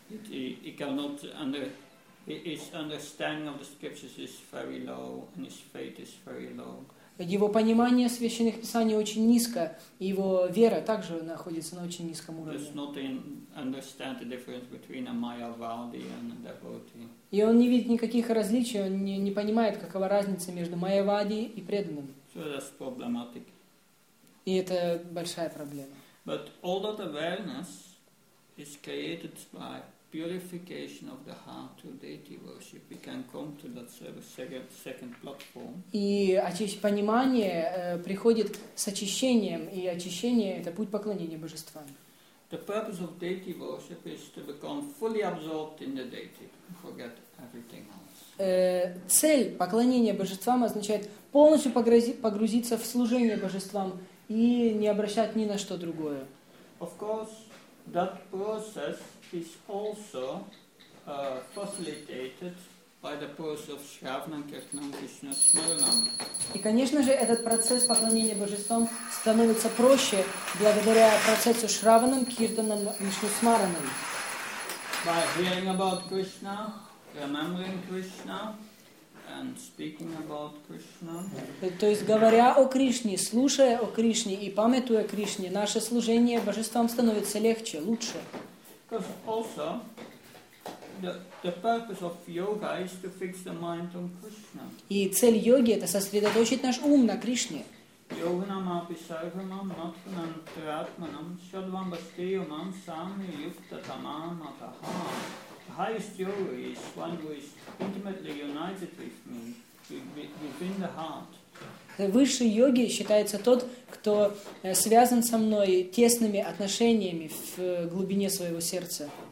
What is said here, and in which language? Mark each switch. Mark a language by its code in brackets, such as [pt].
[en] He cannot his understanding of the scriptures is very low, and his faith is very low. [ru] Его понимание священных писаний очень низко, и его вера также находится на очень низком уровне. [en] Does not understand the difference between a Mayavadi and a devotee. [ru] И он не видит никаких различий, он не понимает, какова разница между Майявади и преданным. [en] So that's problematic. [ru] И это большая проблема. [en] But all that awareness is created by purification of the heart through deity worship. We can come to that second platform. [ru] И понимание приходит с очищением, и очищение это путь поклонения божествам. [en] The purpose of deity worship is to become fully absorbed in the deity, forget everything else. [ru] Цель поклонения божествам означает полностью погрузиться в служение божествам и не обращать ни на что другое. [en] Of course, that process is also facilitated by the process of Shravanam, Kirtanam, Krishna Smaranam. [ru] И, конечно же, этот процесс поклонения божествам становится проще благодаря процессу Шраванам, Киртанам, Кришна Смаранам. [en] By hearing about Krishna, remembering Krishna and speaking about Krishna. [ru] То есть говоря о Кришне, слушая о Кришне и памятуя о Кришне, наше служение божествам становится легче, лучше. [en] Because also the purpose of yoga is to fix the mind on Krishna. [ru] И цель йоги это сосредоточить наш ум на Кришне. [sa] Йогнам аписарванам натхнам тратманам шадвам бастриумам сами юкта тамам атаха. [en] The highest yoga is one who is intimately united with me within the heart. [ru] Высший йоги считается тот, кто связан со мной тесными отношениями в глубине своего сердца.